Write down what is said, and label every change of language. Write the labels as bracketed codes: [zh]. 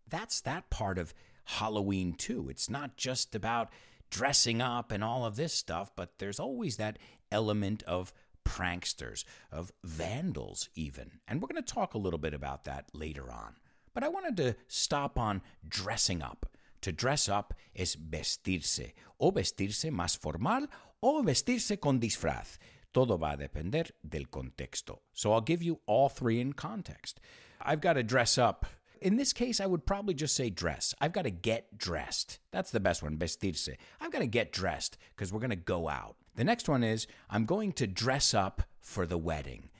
[en] That's that part of Halloween, too. It's not just about dressing up and all of this stuff, but there's always that element of pranksters, of vandals even. And we're going to talk a little bit about that later on. But I wanted to stop on dressing up. To dress up is [es] vestirse, o vestirse más formal, o vestirse con disfraz. Todo va a depender del contexto. [en] So I'll give you all three in context. I've got to dress up. In this case, I would probably just say dress. I've got to get dressed. That's the best one, vestirse. I've got to get dressed because we're going to go out. The next one is, I'm going to dress up for the wedding.